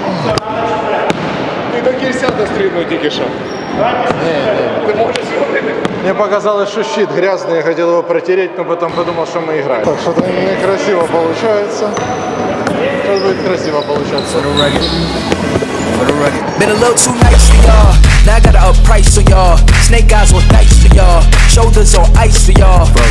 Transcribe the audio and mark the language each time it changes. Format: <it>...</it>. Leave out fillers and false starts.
<ru>Ты до кирся достригнуть, тільки що. Ты можешь его выдать. Мне показалось, что щит грязный, я хотел его протереть, но потом подумал, что мы играем. Так, что-то некрасиво получается. Сейчас будет красиво получаться.</ru> <en>Been a little too nice for y'all. Now I got a price for y'all. Snake eyes with dice for y'all. Shoulders on ice for y'all.</en>